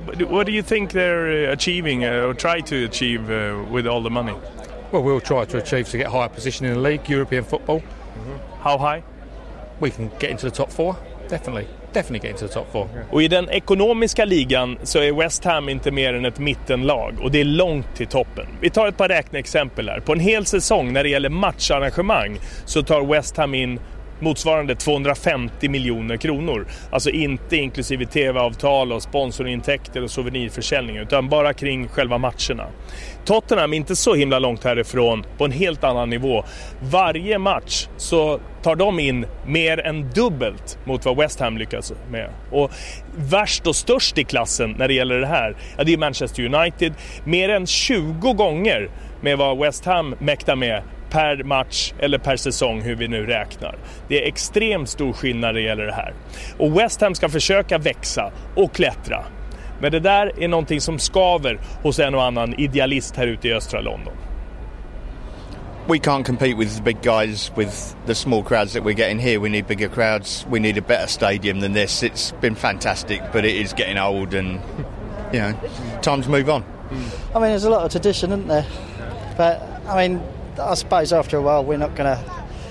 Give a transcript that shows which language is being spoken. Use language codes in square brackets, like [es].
[en] What do you think they're achieving or try to achieve with all the money? Well, we'll try to achieve to get a higher position in the league, European football. Mm-hmm. How high? We can get into the top four, definitely. definitely get into the top four. Yeah. [sv] Och i den ekonomiska ligan så är West Ham inte mer än ett mittenlag och det är långt till toppen. Vi tar ett par räkneexempel här. På en hel säsong när det gäller matcharrangemang så tar West Ham in motsvarande 250 miljoner kronor. Alltså inte inklusive tv-avtal och sponsorintäkter och souvenirförsäljning utan bara kring själva matcherna. Tottenham är inte så himla långt härifrån på en helt annan nivå. Varje match så tar de in mer än dubbelt mot vad West Ham lyckas med. Och värst och störst i klassen när det gäller det här, ja, det är Manchester United. Mer än 20 gånger med vad West Ham mäktar med per match eller per säsong, hur vi nu räknar. Det är extremt stor skillnad när det gäller det här. Och West Ham ska försöka växa och klättra. Men det där är någonting som skaver hos en och annan idealist här ute i östra London. [en] We can't compete with the big guys with the small crowds that we're getting here. We need bigger crowds. We need a better stadium than this. It's been fantastic, but it is getting old and, you know, time to move on. I mean, there's a lot of tradition, isn't there? But, I mean, I suppose after a while we're not going to...